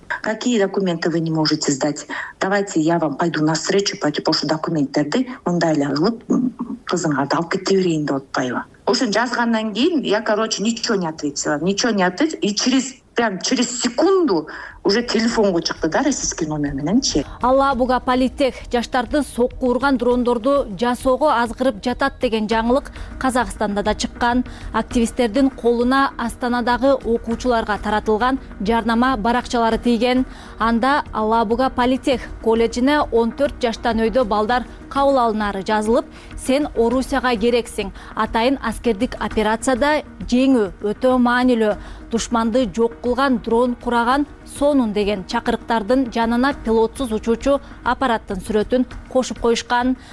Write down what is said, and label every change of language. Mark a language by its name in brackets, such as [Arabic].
[Russian] Какие документы вы не можете сдать? Давайте я вам пойду на встречу, пошу документтерди. [Kyrgyz] Мындай эле кылып кызыңарды алып кете берейин деп отпайбы. Ошон жазгандан кийин [Russian] я, короче, ничего не ответила. И через секунду уже [Kyrgyz] телефонго чыкты да [Russian] российский номер мененчи. [Kyrgyz] Алабуга политех жаштарды сокку урган дрондорду жасоого азгырып жатат деген жаңылык Казакстанда да чыккан. Активисттердин колуна Астанадагы окуучуларга таратылган жарнама баракчалары тийген. Анда Алабуга политех коллежине 14 жаштан өйдө балдар кабыл алынары жазылып, сен Орусияга керексиң, атайын аскердик операцияда жеңүү өтө маанилүү, душманды жок кылган дрон кураган сонун деген чакырыктардын жанына пилотсуз учуучу аппараттын сүрөтүн кошуп коюшкан.